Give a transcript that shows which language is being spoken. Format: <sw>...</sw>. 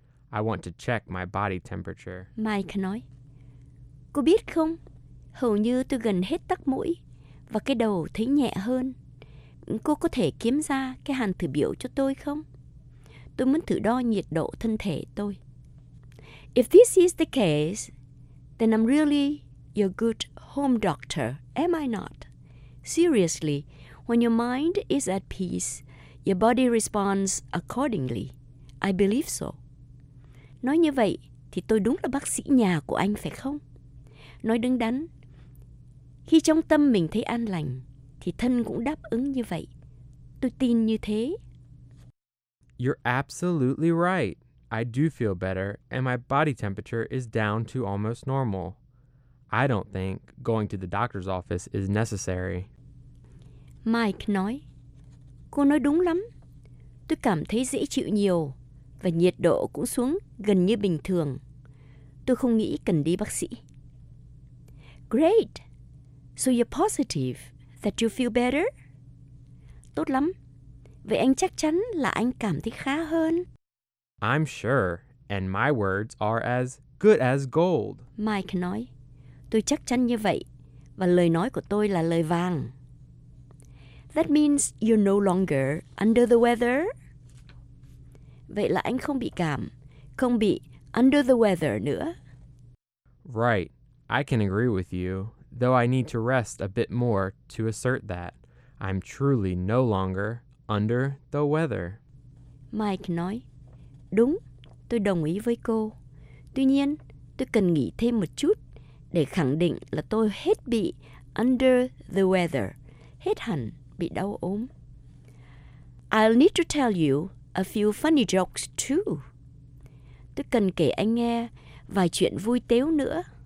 <en>I want to check my body temperature.</en> <vi>Mike nói, cô biết không? Hầu như tôi gần hết tắc mũi và cái đầu thấy nhẹ hơn. Cô có thể kiếm ra cái hàn thử biểu cho tôi không? Tôi muốn thử đo nhiệt độ thân thể tôi.</vi> <en>If this is the case, then I'm really your good home doctor, am I not? Seriously, when your mind is at peace, your body responds accordingly. I believe so.</en> <vi>Nói như vậy, thì tôi đúng là bác sĩ nhà của anh phải không? Nói đứng đắn, khi trong tâm mình thấy an lành, thì thân cũng đáp ứng như vậy. Tôi tin như thế.</vi> <en>You're absolutely right. I do feel better, and my body temperature is down to almost normal. I don't think going to the doctor's office is necessary.</en> <vi>Mike nói, cô nói đúng lắm. Tôi cảm thấy dễ chịu nhiều, và nhiệt độ cũng xuống gần như bình thường. Tôi không nghĩ cần đi bác sĩ.</vi> <en>Great! So you're positive that you feel better?</en> <vi>Tốt lắm. Vậy anh chắc chắn là anh cảm thấy khá hơn.</vi> <en>I'm sure, and my words are as good as gold.</en> <vi>Mike nói, tôi chắc chắn như vậy, và lời nói của tôi là lời vàng.</vi> <en>That means you're no longer under the weather.</en> <vi>Vậy là anh không bị cảm, không bị under the weather nữa.</vi> <en>Right, I can agree with you. though I need to rest a bit more to assert that. I'm truly no longer under the weather.</en> <vi>Mike nói, đúng, tôi đồng ý với cô. Tuy nhiên, tôi cần nghỉ thêm một chút để khẳng định là tôi hết bị under the weather, hết hẳn bị đau ốm.</vi> <en>I'll need to tell you a few funny jokes too.</en> <vi>Tôi cần kể anh nghe vài chuyện vui tếu nữa.</vi>